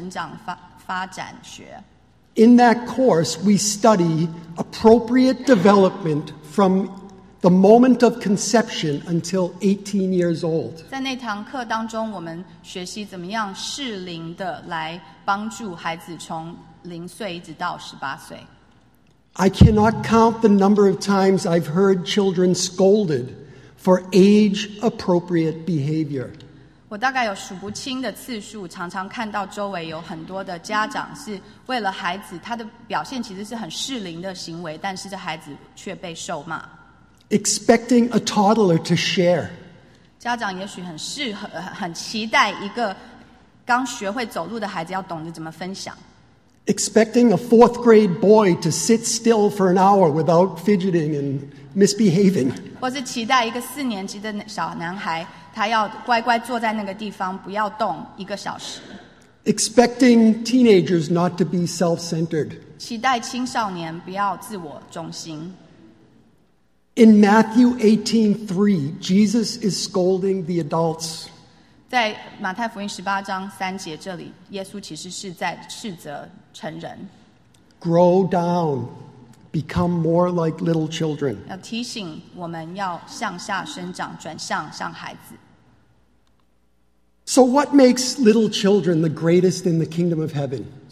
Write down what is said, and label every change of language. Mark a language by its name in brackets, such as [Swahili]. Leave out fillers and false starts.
[Chinese] 我在这一辈子上过，我觉得最受用的一堂课是叫儿童成长发展学。 [English] In that course, we study appropriate development from the moment of conception until 18 years old. [Chinese] 在那堂课当中，我们学习怎么样适龄的来帮助孩子从零岁一直到18岁。 [English] I cannot count the number of times I've heard children scolded for age-appropriate behavior. [Chinese] 我大概有数不清的次数，常常看到周围有很多的家长是为了孩子，他的表现其实是很适龄的行为，但是这孩子却被受骂。 [English] Expecting a toddler to share. [Chinese] 家长也许很期待一个刚学会走路的孩子要懂得怎么分享。 [English] expecting a fourth grade boy to sit still for an hour without fidgeting and misbehaving. [Chinese] 我是期待一个四年级的小男孩, 他要乖乖坐在那个地方, 不要动, [English] expecting teenagers not to be self-centered. [Chinese] 期待青少年不要自我中心. [English] In Matthew 18:3, Jesus is scolding the adults. [Chinese] 在马太福音18章3节这里, 耶稣其实是在斥责成人。 [English] Grow down, become more like little children. [Chinese] 要提醒我们要向下生长, 转向像孩子。 [English] So what makes little children the greatest in the kingdom of heaven?